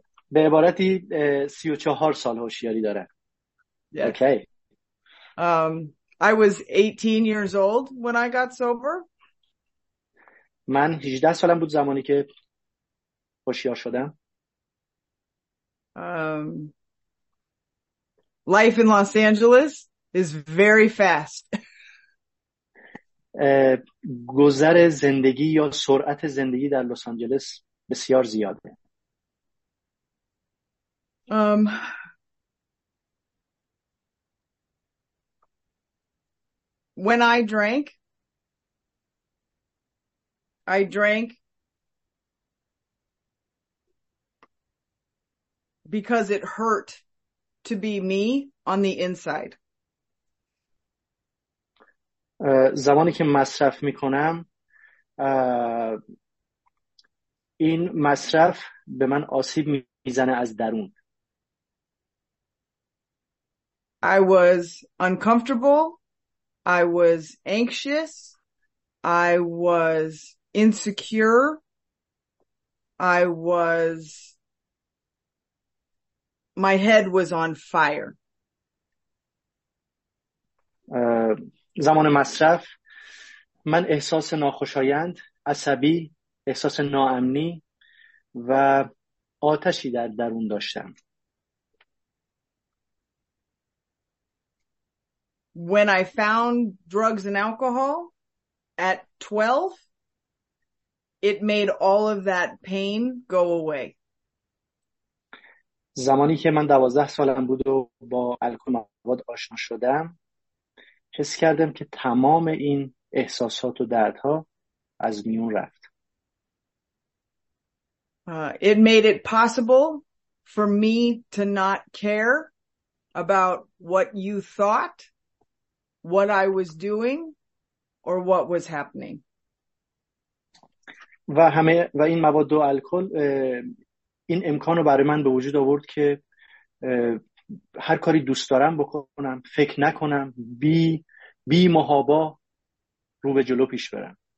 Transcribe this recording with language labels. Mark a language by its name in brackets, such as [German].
[Persian] به عبارتی 34 سال هوشیاری داره. [English] Yeah. Okay. I was 18 years old when I got sober. [Persian] من 18 سالم بود زمانی که هوشیار شدم. [English] Life in Los Angeles is very fast. [Persian] گذر زندگی یا سرعت زندگی در لس آنجلس بسیار زیاده. [English] When I drank because it hurt to be me on the inside. [Persian] زمانی که مصرف میکنم این مصرف به من آسیب میزنه از درون. [English] I was uncomfortable. I was anxious. I was insecure. I was. My head was on fire. [Persian] زمان مصرف من احساس ناخوشایند، عصبی، احساس ناامنی و آتشی در درون داشتم. [English] When I found drugs and alcohol at 12, it made all of that pain go away. [Persian] زمانی که من 12 سالم بود و با الکل مواد آشنا شدم، حس کردم که تمام این احساسات و دردها از میون رفت. [English] It made it possible for me to not care about what you thought, what I was doing, or what was happening. [Persian] و همه و این مواد و الکل این امکانو برای من به وجود آورد که هر کاری دوست دارم بکنم، فکر نکنم، بی محابا رو به جلو پیش برم.